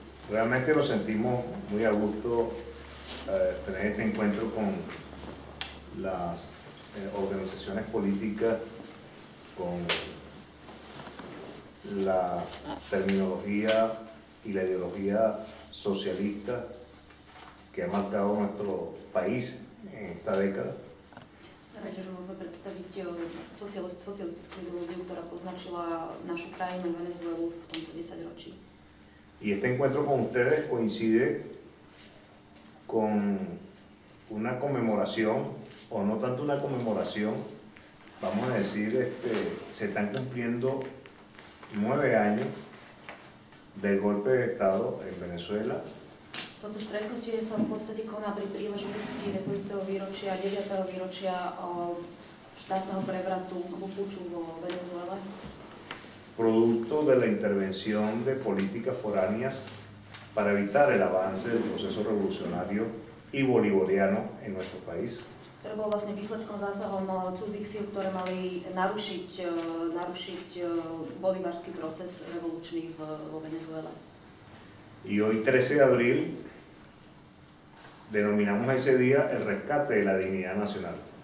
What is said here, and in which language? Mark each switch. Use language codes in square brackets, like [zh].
[es] Realmente lo sentimos muy a gusto tener este encuentro con las organizaciones políticas, con la terminología y la ideología socialista que ha marcado nuestro país en esta década. [sk] Predstaviť socialistickú ideológiu, ktorá poznačila našu krajinu Venezuelu v tomto 10 ročí. [es] Y este encuentro con ustedes coincide con una conmemoración, o no tanto una conmemoración, vamos a decir, se están cumpliendo 9 años del golpe de Estado en Venezuela. [sk] Toto stretnutie sa v podstate koná pri príležitosti 9. výročia štátneho prevratu alebo puču vo Venezuele. [es] Producto de la intervención de políticas foráneas para evitar el avance del proceso revolucionario y bolivariano en nuestro país. [sk] Ktoré bolo vlastne výsledkom zásahom cudzích síl, ktoré mali narušiť bolivarský proces revolučný vo Venezuele. [es] Y hoy 13 de abril denominamos a ese día el rescate de la dignidad nacional.